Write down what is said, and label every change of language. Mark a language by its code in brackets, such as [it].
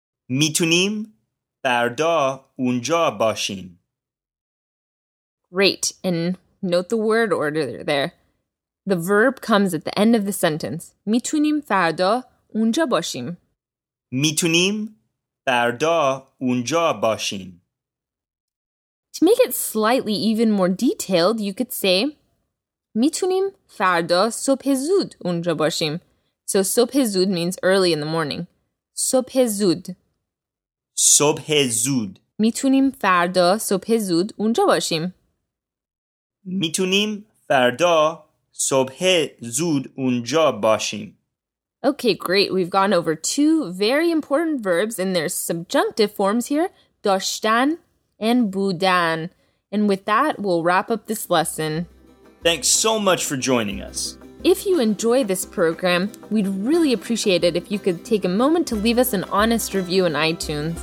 [fa] میتونیم فردا اونجا باشیم. [en] Great. And note the word order there. The verb comes at the end of the sentence. [fa] میتونیم فردا اونجا باشیم. میتونیم فردا اونجا باشیم. [en] To make it slightly even more detailed, you could say [fa] میتونیم فردا صبح زود اونجا باشیم. [en] So [fa] صبح زود [en] means early in the morning. [fa] صبح زود. صبح زود. میتونیم فردا صبح زود اونجا باشیم. میتونیم فردا صبح زود اونجا باشیم. [en] Okay, great. We've gone over two very important verbs in their subjunctive forms here, داشتن and بودن. And with that, we'll wrap up this lesson. Thanks so much for joining us. If you enjoy this program, we'd really appreciate it if you could take a moment to leave us an honest review in iTunes.